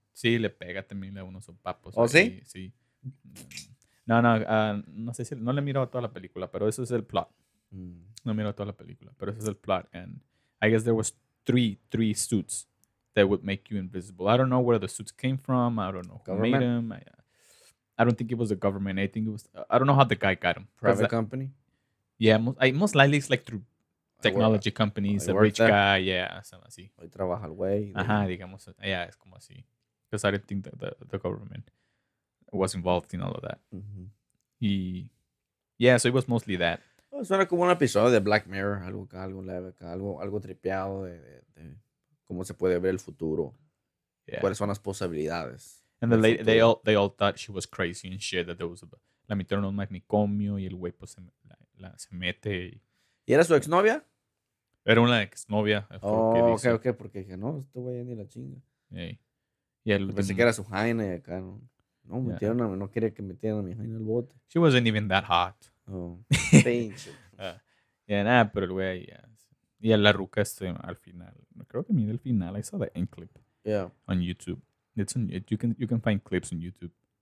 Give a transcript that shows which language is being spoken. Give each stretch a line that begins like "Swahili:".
Spanish: Sí, le pega también, le da unos papos. ¿Oh, sí? Sí. No sé si no le he mirado toda la película, pero eso es el plot. No he mirado toda la película, pero eso es el plot.
English: And I guess there was three suits that would make you invisible. I don't know where the suits came from. I don't know who made them. I don't think it was the government. I think it was, I don't know how the guy got him. Private company? Yeah, most likely it's like through technology companies, a rich guy, yeah, something así.
Spanish: Hoy trabaja el güey. Ajá, digamos, yeah, es como así.
English: Because I didn't think that the government was involved in all of that. Mm-hmm. Yeah, so it was mostly that.
Spanish: Suena como un episodio de Black Mirror, algo acá, algo leve acá, algo tripeado de cómo se puede ver el futuro. Yeah. ¿Cuáles son las posibilidades?
English: And the lady, they all thought she was crazy and shit, that there was a,
Spanish: la metieron en un manicomio y el güey pues se mete. ¿Y era su exnovia? Era una exnovia. Ok, porque dije, no, este güey ni la chinga. Yeah. Pensé que era su jaina y acá, ¿no? No, metieron a mí, no quería que metieran a mi jaina en el bote.
English: She wasn't even that hot.
Spanish: Oh, pinche. Yeah, nada, pero el güey, yeah. Y la ruca este, al final. Creo que mira el final,
English: I saw the end clip. Yeah. On YouTube. It's on, you can find clips on YouTube.